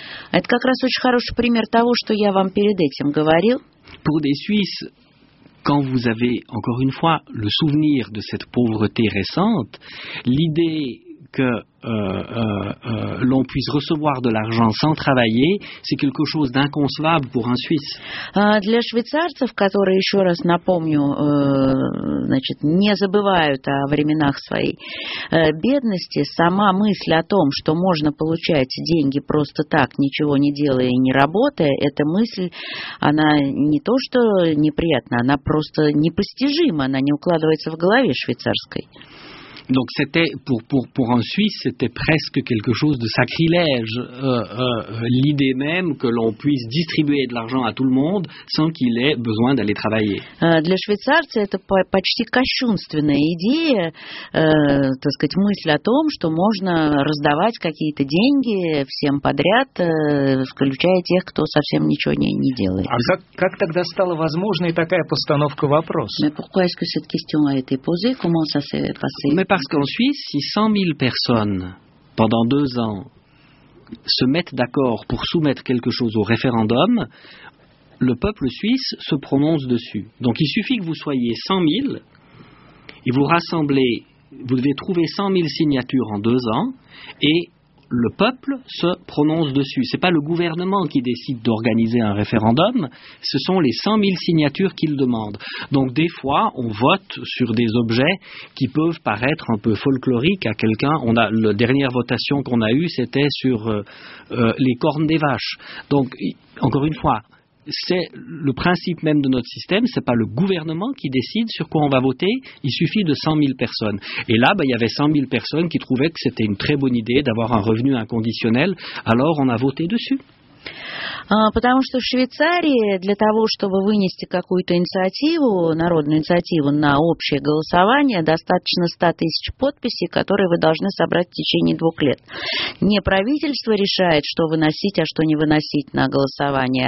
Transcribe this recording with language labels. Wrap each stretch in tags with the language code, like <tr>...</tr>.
<ru>Это как раз очень хороший пример того, что я вам перед этим говорил.</ru> <fr>Pour des Suisses, quand vous avez, encore une fois, le souvenir de cette pauvreté récente, l'idée que l'on puisse recevoir de l'argent sans travailler, c'est quelque chose d'inconcevable pour un Suisse.</fr> <ru>Для швейцарцев, которые, еще раз напомню, значит, не забывают о временах своей бедности, сама мысль о том, что можно получать деньги просто так, ничего не делая и не работая, эта мысль, она не то что неприятна, она просто непостижима, она не укладывается в голове швейцарской.</ru> <fr>Donc c'était pour un Suisse, c'était presque quelque chose de sacrilège, l'idée même que l'on puisse distribuer de l'argent à tout le monde sans qu'il ait besoin d'aller travailler.</fr> <ru>Для швейцарца это почти кощунственная идея, так сказать, мысль о том, что можно раздавать какие-то деньги всем подряд, включая тех, кто совсем ничего не делает. А как тогда стала возможной такая постановка вопроса?</ru> <fr>Mais pourquoi est-ce que cette question a été posée? Comment ça s'est passé? Parce qu'en Suisse, si 100 000 personnes, pendant deux ans, se mettent d'accord pour soumettre quelque chose au référendum, le peuple suisse se prononce dessus. Donc il suffit que vous soyez 100 000 et vous rassemblez, vous devez trouver 100 000 signatures en deux ans et le peuple se prononce dessus. Ce n'est pas le gouvernement qui décide d'organiser un référendum, ce sont les 100 000 signatures qu'il demande. Donc des fois, on vote sur des objets qui peuvent paraître un peu folkloriques à quelqu'un. On a, la dernière votation qu'on a eue, c'était sur les cornes des vaches. Donc, encore une fois, c'est le principe même de notre système, ce n'est pas le gouvernement qui décide sur quoi on va voter, il suffit de 100 000 personnes. Et là, il y avait 100 000 personnes qui trouvaient que c'était une très bonne idée d'avoir un revenu inconditionnel, alors on a voté dessus.</fr> <ru>Потому что в Швейцарии для того, чтобы вынести какую-то инициативу, народную инициативу на общее голосование, достаточно 100 тысяч подписей, которые вы должны собрать в течение двух лет. Не правительство решает, что выносить, а что не выносить на голосование.</ru>